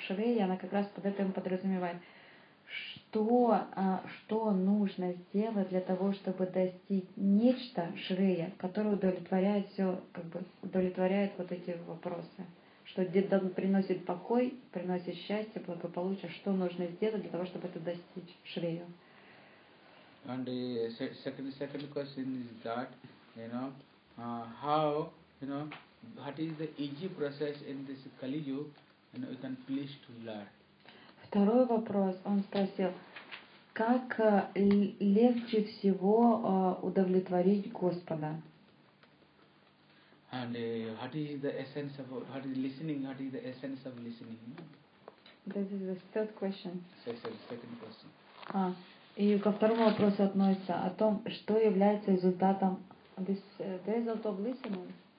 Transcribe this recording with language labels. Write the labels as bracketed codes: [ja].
[ru] Шрея, она как раз под этим подразумевает. Что нужно сделать для того, чтобы достичь нечто Шрея, которое удовлетворяет все, как бы удовлетворяет вот эти вопросы, что приносит покой, приносит счастье, благополучие. Что нужно сделать для того, чтобы это достичь Шрею? [en] And the second question is that, you know, how, you know, what is the easy process in this Kali Yuga, and you can please to learn. [ru] Второй вопрос, он спросил, как легче всего удовлетворить Господа? [en] And what is the essence of what is listening? What is the essence of listening? This is the third question. Second question. [ru] И ко второму вопросу относится о том, что является результатом [en] the result of listening.